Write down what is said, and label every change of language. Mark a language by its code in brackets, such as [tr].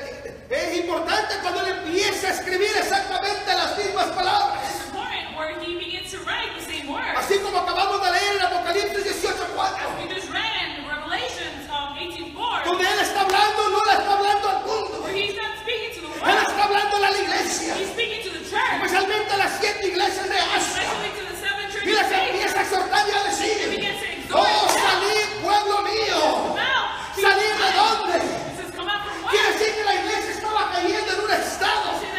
[es] Alabado sea su nombre. Es importante cuando él empieza a escribir exactamente las mismas palabras. [en] It's important where he begins to write the same words. [es] Así como acabamos de leer en Apocalipsis 18:4. [en] As we just read in Revelations 18:4. [es] Donde él está hablando, no le está hablando al mundo. [en] Where he's not speaking to the world. [es] Él está hablando a la iglesia. [en] He's speaking to the church. [es] Especialmente a las siete iglesias de Asia. [en] Especially to the seven churches. [es] Y les empieza a exhortar y a decir. [en] And he begins to exhort. [es] Oh, salid. Pueblo mío, ¿salir de dónde? Quiere decir que la iglesia estaba cayendo en un estado.